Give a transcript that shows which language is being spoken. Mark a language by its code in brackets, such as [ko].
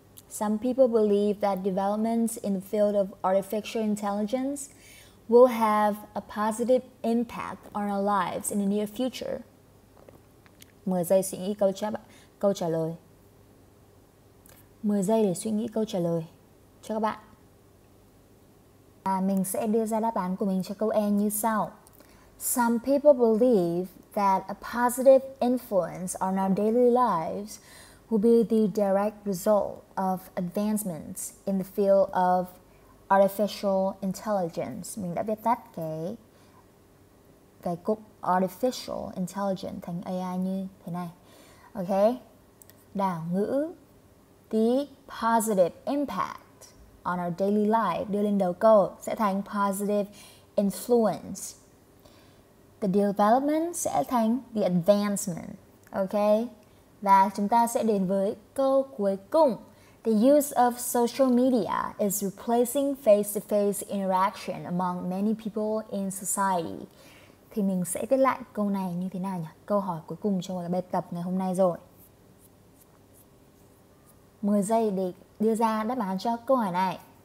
[en] Some people believe that developments in the field of artificial intelligence will have a positive impact on our lives in the near future. [vi] 10 giây suy nghĩ câu trả lời. 10 giây để suy nghĩ câu trả lời cho các bạn. Mình sẽ đưa ra đáp án của mình cho câu E như sau. [en] Some people believe that a positive influence on our daily lives will be the direct result of advancements in the field of artificial intelligence. [vi] Mình đã viết tắt cái cụm artificial intelligence thành AI như thế này. Okay? Đảo ngữ, [en] the positive impact on our daily life [vi] đưa lên đầu câu sẽ thành [en] positive influence. The development [vi] sẽ thành [en] the advancement. Okay? [vi] Và chúng ta sẽ đến với câu cuối cùng. [en] The use of social media is replacing face-to-face interaction among many people in society. [vi] Thì mình sẽ viết lại câu này như thế nào nhỉ? Câu hỏi cuối cùng trong cái bài tập ngày hôm nay rồi. 10 giây để đưa ra đáp án cho câu hỏi này.